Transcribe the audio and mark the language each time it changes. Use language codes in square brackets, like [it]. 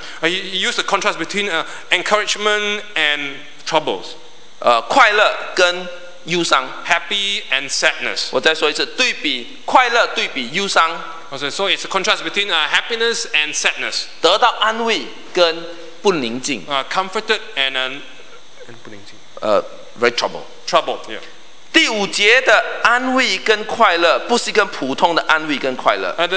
[en] He used the contrast between encouragement and troubles. [zh] 快乐跟忧伤。 [en] Happy and sadness. [zh] 我再说一次，对比快乐，对比忧伤。 [en] So it's a contrast between happiness and sadness. [zh] 得到安慰跟不宁静。 [en] Comforted and [zh] 不宁静。 [en] Very trouble. Trouble. Yeah. [zh] 第五节的安慰跟快乐，不是跟普通的安慰跟快乐。